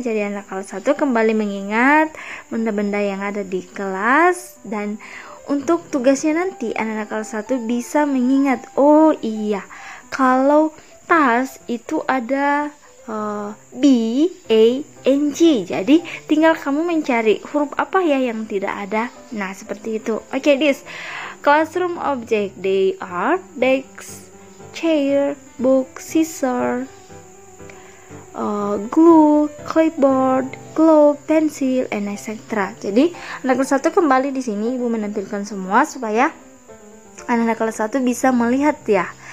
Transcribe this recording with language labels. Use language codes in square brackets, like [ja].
[id] Jadi anak kelas 1 kembali mengingat benda-benda yang ada di kelas, dan untuk tugasnya nanti anak kelas 1 bisa mengingat, oh iya, kalau tas itu ada B, A, N, G. Jadi tinggal kamu mencari huruf apa ya yang tidak ada. Nah, seperti itu. [en] Okay, this classroom object, they are desk, chair, book, scissor, glue, clipboard, glove, pensil, and etc. [id] Jadi anak kelas 1 kembali di sini, Ibu menampilkan semua supaya anak kelas 1 bisa melihat ya.